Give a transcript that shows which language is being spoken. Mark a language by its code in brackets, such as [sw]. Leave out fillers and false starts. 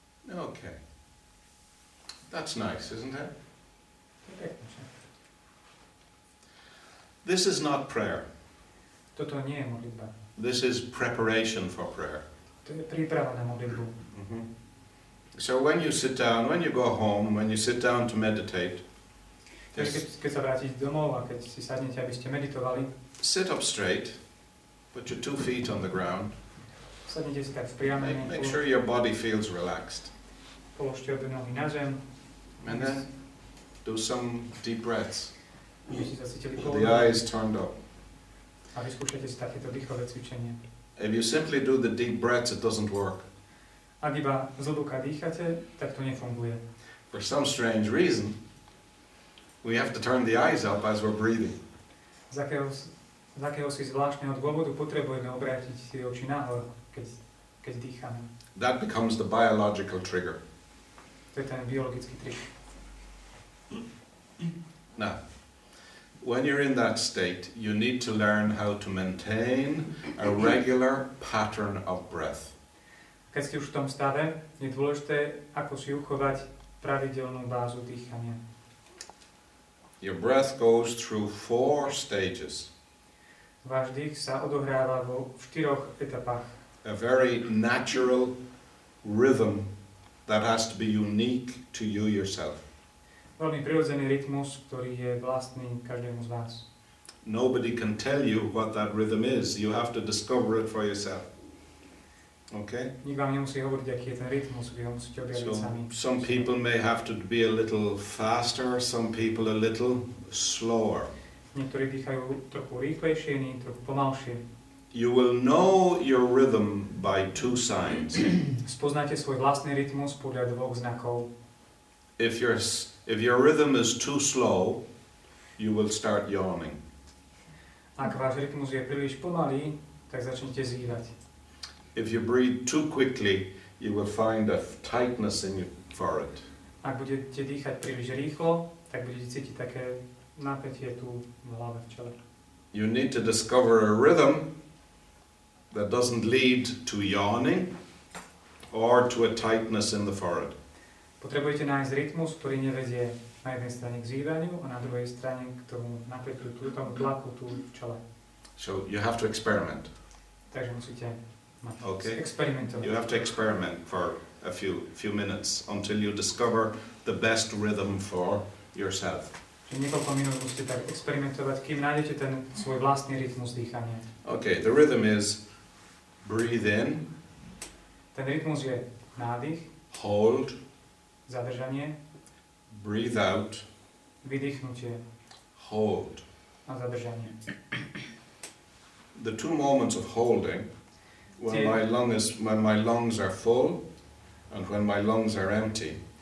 [en] Okay. That's nice, isn't it? This is not prayer. [sk] Toto nie je modlitba. [en] This is preparation for prayer. [sk] To je príprava na modlitbu. [en] So when you sit down, when you go home, when you sit down to meditate, [sk] keď sa vrátiš domov a keď si sadnete, aby ste meditovali, [en] sit up straight, put your two feet on the ground, [sk] sadnite si tak v priamene, [en] make sure your body feels relaxed. [sk] Položte obe nohy na zem. [en] And then do some deep breaths. With the eyes turned up. [sk] A vyskúšajte si takéto dýchové cvičenie. [en] If you simply do the deep breaths, it doesn't work. [sk] Ak iba z hlboka dýchate, tak to nefunguje. [en] For some strange reason, we have to turn the eyes up as we're breathing. [sk] Z akého si zvláštneho dôvodu potrebujeme obrátiť si oči nahor, keď dýchame. [en] That becomes the biological trigger. [sk] To je ten biologický trik. [en] Now, when you're in that state, you need to learn how to maintain a regular pattern of breath. [sk] Keď ste už v tom stave, je dôležité, ako si uchovať pravidelnú bázu dýchania. [en] Your breath goes through 4 stages. [sk] Váš dých sa odohráva vo 4 etapách. [en] A very natural rhythm that has to be unique to you yourself. [sk] Veľmi prirodzený rytmus, ktorý je vlastný každému z vás. [en] Nobody can tell you what that rhythm is. You have to discover it for yourself. Okay? [sk] Nikto vám nemusí hovoriť, aký je ten rytmus, vy ho musíte objaviť sami. [en] Some people may have to be a little faster, some people a little slower. [sk] Niektorí dýchajú trochu rýchlejšie, iní trochu pomalšie. [en] You will know your rhythm by 2 signs. [sk] Spoznáte svoj vlastný rytmus podľa dvoch znakov. [en] If your rhythm is too slow, you will start yawning. [sk] Ak váš rytmus je príliš pomalý, tak začnete zývať. [en] If you breathe too quickly, you will find a tightness in your forehead. [sk] Ak budete dýchať príliš rýchlo, tak budete cítiť také napätie tu v hlave, v čele. [en] You need to discover a rhythm that doesn't lead to yawning or to a tightness in the forehead. [sk] Potrebujete nájsť rytmus, ktorý nevedie na jednej strane k zývaniu a na druhej strane k tomu napätiu, tomu tlaku tu v čele. [en] So you have to experiment. [sk] Takže musíte experimentovať. [en] You have to experiment for a few minutes until you discover the best rhythm for yourself. [sk] Niekoľko minút musíte tak experimentovať, kým nájdete ten svoj vlastný rytmus dýchania. [en] Okay, the rhythm is breathe in. [sk] Ten rytmus je nádych. [en] Hold. [sk] Zadržanie. [en] Breathe out. [sk] Vydýchnutie. [en] Hold. [sk] A zadržanie. [en] The two moments of holding, when my lung is, when my lungs are full and when my lungs are empty.